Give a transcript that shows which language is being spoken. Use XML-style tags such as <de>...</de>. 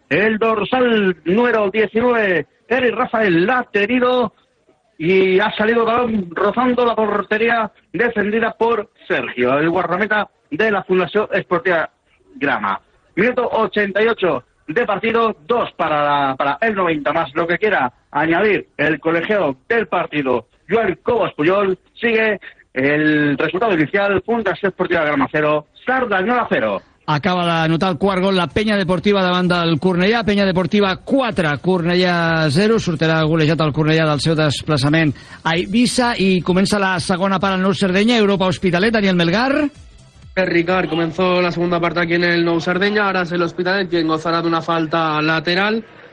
<es>El dorsal número 19, Eri Rafael, l'ha tenido y ha salido balón rozando la portería defendida por Sergio, el guardameta de la Fundación Esportiva Grama. Minuto 88 de partido, 2 para el 90, más lo que quiera añadir el colegiado del partido, Joan Cobos Puyol. Sigue el resultado inicial, Fundación Esportiva Grama 0, Cerdanyola 0.</es> <ca>Acaba d'anotar el quart gol la Penya Deportiva davant del Cornellà. Penya Deportiva 4, Cornellà 0. Sortirà golejat el Cornellà del seu desplaçament a Eivissa. I comença la segona part al Nou Cerdanya. Europa Hospitalet, Daniel Melgar.</ca> <es>Ricard, comenzó la segunda parte aquí en el Nou Cerdanya.</es> <ca>Ara és el Hospitalet</ca> <es>quien</es> <ca>gozarà d'una falta lateral.</ca>